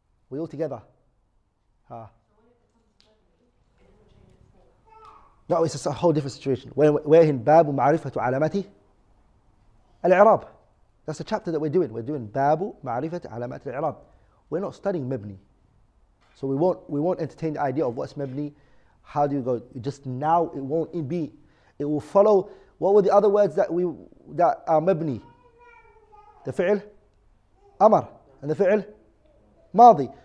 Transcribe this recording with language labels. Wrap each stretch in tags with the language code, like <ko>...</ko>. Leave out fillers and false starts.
<en>We all together. No, it's a whole different situation.</en> <ar>وين باب معرفة علامات الإعراب.</ar> <en>That's the chapter that we're doing. We're doing</en> <ar>باب معرفة علامات الإعراب.</ar> <en>We're not studying مبني. So we won't entertain the idea of what's مبني. How do you go? Just now it won't be. It will follow. What were the other words that are مبني? The فعل أمر and the فعل ماضي.</en>